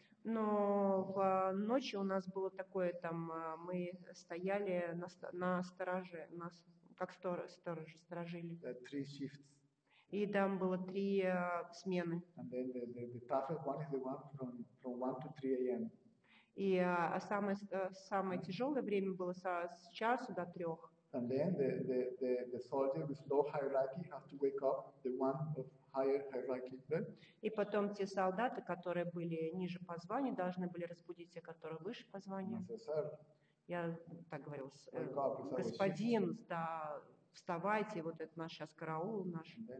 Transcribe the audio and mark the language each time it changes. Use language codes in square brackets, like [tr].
[ru] Но в ночи у нас было такое, там мы стояли на стороже, нас как сторожи сторожили. [en] Three shifts. [ru] И там было три смены. [en] And then the toughest one is the one from 1 to 3 a.m. [ru] И самое тяжелое время было с часу до трех. [en] And then the soldier with low hierarchy has to wake up the one of higher hierarchy, right? [ru] И потом те солдаты, которые были ниже по званию, должны были разбудить те, которые выше по званию. Я так говорил, господин, да, вставайте, вот это наш сейчас караул наш.